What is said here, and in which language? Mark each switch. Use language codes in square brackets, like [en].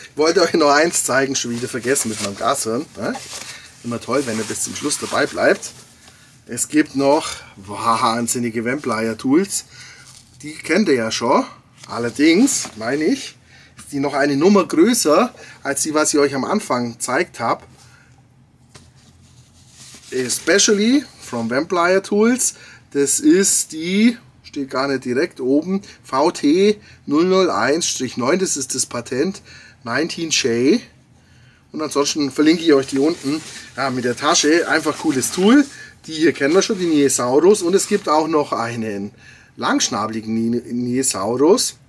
[de] Ich wollte euch noch eins zeigen, schon wieder vergessen mit meinem Gashirn. Immer toll, wenn ihr bis zum Schluss dabei bleibt. Es gibt noch wahnsinnige Vampire-Tools. Die kennt ihr ja schon. Allerdings, meine ich, ist die noch eine Nummer größer als die, was ich euch am Anfang gezeigt habe. [en] Especially from Vampire-Tools. [de] Das ist die, steht gar nicht direkt oben, VT001-9, das ist das Patent, 19J. Und ansonsten verlinke ich euch die unten, ja, mit der Tasche. Einfach cooles Tool. Die hier kennen wir schon, die Niesaurus. Und es gibt auch noch einen langschnabeligen Niesaurus.